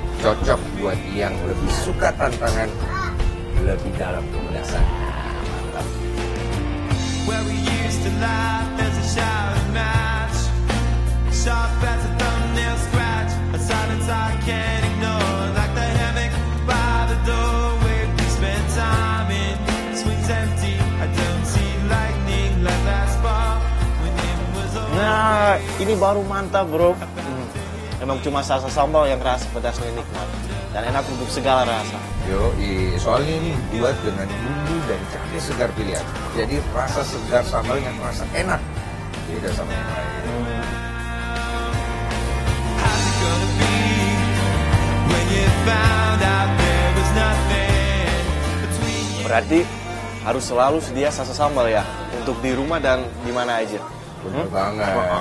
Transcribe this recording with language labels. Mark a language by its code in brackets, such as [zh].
[id] Cocok buat yang lebih suka tantangan, lebih dalam pemedasan. [en] Where we used to laugh, there's a shouted match. Sharp as a thumbnail scratch, a silence I can't ignore. Like the hammock by the door where we spent time in. Swings empty, I don't see lightning like that spark when it was over. [id] Nah, ini baru mantap bro. Emang cuma sasa sambal yang rasa pedasnya nikmat dan enak untuk segala rasa. Yo, soalnya ini dibuat dengan bumbu dan cabai segar pilihan. Jadi rasa segar sambal yang rasa enak. Beda sama yang lain. [en] How's it gonna be when you found out there was nothing between you? [id] Berarti harus selalu sedia sasa sambal ya untuk di rumah dan di mana aja. Benar banget.